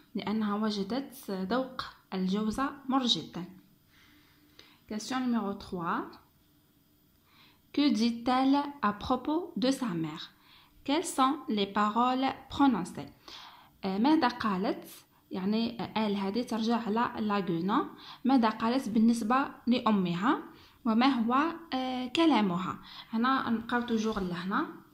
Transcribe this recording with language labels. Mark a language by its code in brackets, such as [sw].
[ar] لأنها وجدت ذوق الجوزة مر جدا. [fr] Question numéro 3. Que dit-elle à propos de sa mère? Quelles sont les paroles prononcées? [ar] ماذا قالت؟ يعني elle هذه ترجع على لاغونا. ماذا قالت بالنسبة لأمها؟ وما هو كلامها؟ هنا نقرأ toujours لهنا.